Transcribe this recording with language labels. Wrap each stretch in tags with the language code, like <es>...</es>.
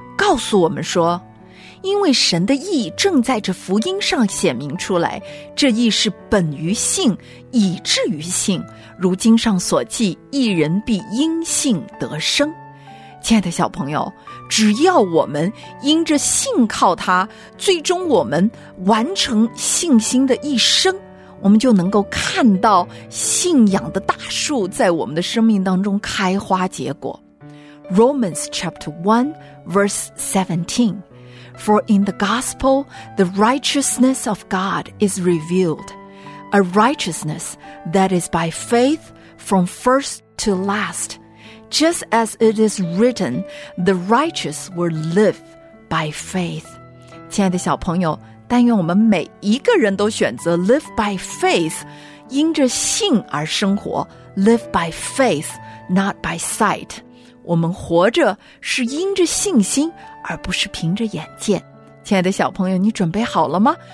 <zh>告诉我们说，因为神的义正在这福音上显明出来，这义是本于信，以至于信，如经上所记，义人必因信得生。亲爱的小朋友，只要我们因着信靠他，最终我们完成信心的一生，我们就能够看到信仰的大树在我们的生命当中开花结果。</zh> <en>Romans chapter 1 verse 17, For in the gospel the righteousness of God is revealed, a righteousness that is by faith from first to lastJust as it is written, the righteous will live by faith.</en> <zh>亲爱的小朋友，但愿我们每一个人都选择</zh> <en>live by faith,</en> <zh>因着信而生活，</zh> <en>live by faith, not by sight.</en> <zh>我们活着是因着信心，而不是凭着眼见。亲爱的小朋友，你准备好了吗？</zh>